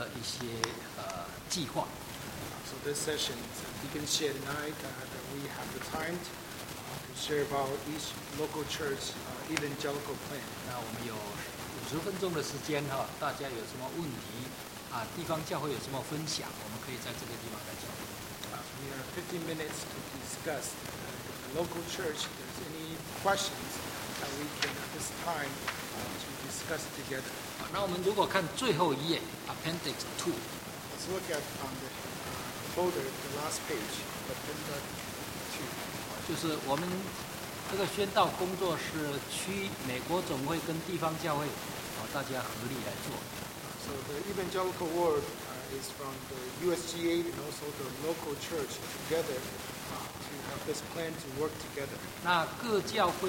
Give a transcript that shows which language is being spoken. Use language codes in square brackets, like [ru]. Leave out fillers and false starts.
[zh] 谢谢这是跟我各差不多有15到20分钟跟大家来介绍有关于各教会宣道组的一些计划。 [en] So this session, Deacon Shea and I, that we have the time to share about each local church evangelical plan. [zh] 那我们有50分钟的时间，大家有什么问题，地方教会有什么分享，我们可以在这个地方来讲。 [en] We have 15 minutes to discuss the local church. If there's any questions that we can at this time to discuss together. [zh] 那我们如果看最后一页 Appendix 2. [en] Let's look at the folder, the last page, Appendix 2. [zh] 就是我们这个宣道工作是去美国总会跟地方教会，大家合力来做。 [en] So the evangelical world is from the USGA and also the local church together to have this plan to work together.